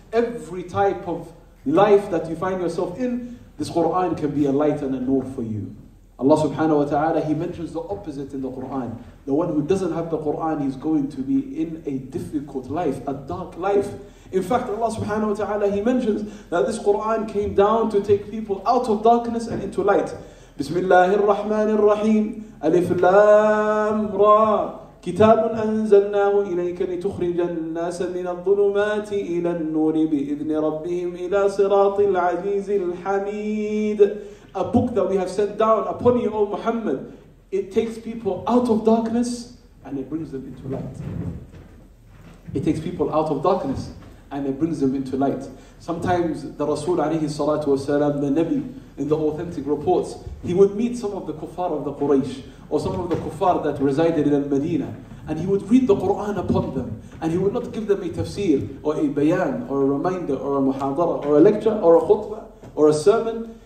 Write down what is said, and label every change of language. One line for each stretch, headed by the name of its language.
English: Every type of life that you find yourself in, this Quran can be a light and a nur for you. Allah subhanahu wa ta'ala, He mentions the opposite in the Quran. The one who doesn't have the Quran is going to be in a difficult life, a dark life. In fact, Allah subhanahu wa ta'ala, He mentions that this Quran came down to take people out of darkness and into light.
Arabic: بسم الله الرحمن الرحيم ألف لام را كتاب أنزلناه إليك لتخرج الناس من الظلمات إلى النور بإذن ربهم إلى صراط العزيز الحميد.
English: A book that we have sent down upon you, O Muhammad. It takes people out of darkness and it brings them into light. It takes people out of darkness and it brings them into light. Sometimes the Rasul alayhi salatu wasalam, the Nabi, in the authentic reports, he would meet some of the kuffar of the Quraysh or some of the kuffar that resided in Al-Madinah, and he would read the Quran upon them, and he would not give them a tafsir or a bayan or a reminder or a muhadara or a lecture or a khutbah or a sermon.